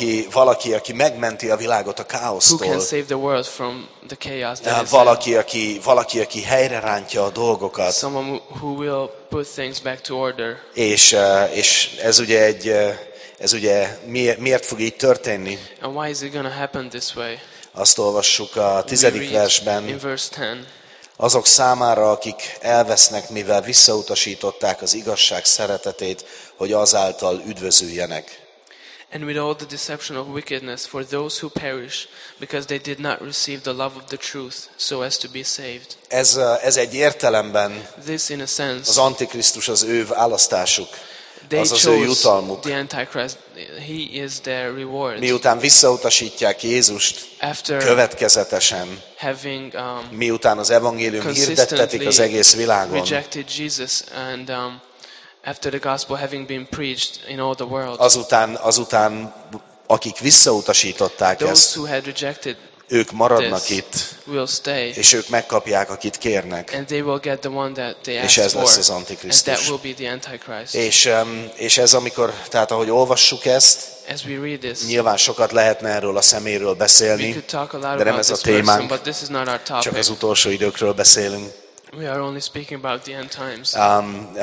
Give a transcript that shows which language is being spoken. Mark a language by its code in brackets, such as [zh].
[hu] Valaki, aki megmenti a világot a káosztól. [en] Who can save the world from the chaos that [hu] valaki, aki helyre rántja a dolgokat. [en] Someone who will put things back to order. [hu] És ez ugye egy ez ugye miért fog így történni? [en] And why is it going to happen this way? [hu] Azt olvassuk a 10. versben. [en] In verse 10. [hu] Azok számára, akik elvesznek, mivel visszautasították az igazság szeretetét, hogy azáltal üdvözüljenek. [en] And with all the deception of wickedness for those who perish, because they did not receive the love of the truth, so as to be saved. [hu] Ez egy értelemben [en] this in a sense, [hu] az Antikrisztus az ő választásuk. [en] They [hu] az az ő jutalmuk. [en] The Antichrist, he is their reward. [hu] Miután visszautasítják Jézust [en] after [hu] következetesen, [en] having, [hu] miután az evangélium hirdettetik az egész világon, [en] rejected Jesus and, after the gospel having been preached in all the world, [hu] azután akik visszautasították [en] those [hu] ezt, [en] who had rejected [hu] ők maradnak [en] this, [hu] itt, [en] will stay, [hu] és ők megkapják, akit kérnek. [en] And they will get the one that they [hu] és ez [en] for, [hu] lesz az Antikrisztus. [en] And that will be the Antichrist. [hu] És ez amikor, tehát ahogy olvassuk ezt, [en] as we read this, [hu] nyilván sokat lehetne erről a szeméről beszélni, [en] we could talk a lot [hu] de nem [en] about [hu] ez a témánk, [en] person, [hu] csak az utolsó időkről beszélünk. [en] We are only speaking about the end times.